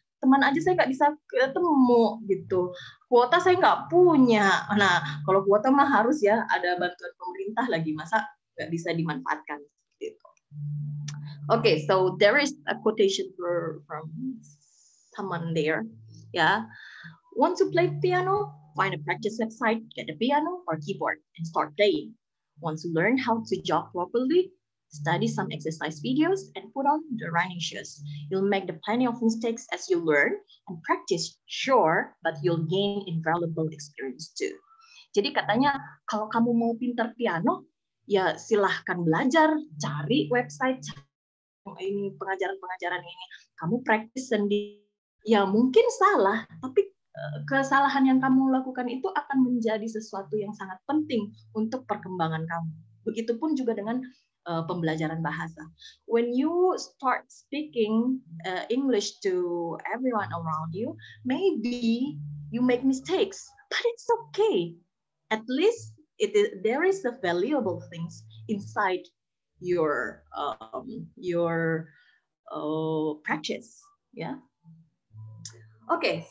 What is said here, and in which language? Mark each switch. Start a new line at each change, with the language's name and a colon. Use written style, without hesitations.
Indonesian: Teman aja saya nggak bisa ketemu gitu. Kuota saya nggak punya. Nah, kalau kuota mah harus ya ada bantuan pemerintah lagi, masa nggak bisa dimanfaatkan gitu.
English: Okay, so there is a quotation from someone there. Yeah. Want to play piano? Find a practice website, get a piano or keyboard and start playing. Want to learn how to jog properly? Study some exercise videos and put on the running shoes. You'll make the plenty of mistakes as you learn and practice, sure, but you'll gain invaluable experience too.
Indonesian: Jadi katanya kalau kamu mau pintar piano, ya silahkan belajar, cari website ini, pengajaran-pengajaran ini. Kamu practice sendiri. Ya mungkin salah, tapi kesalahan yang kamu lakukan itu akan menjadi sesuatu yang sangat penting untuk perkembangan kamu. Begitupun juga dengan pembelajaran bahasa.
English: When you start speaking English to everyone around you, maybe you make mistakes, but it's okay. At least there is a valuable things inside your practice. Yeah. Okay.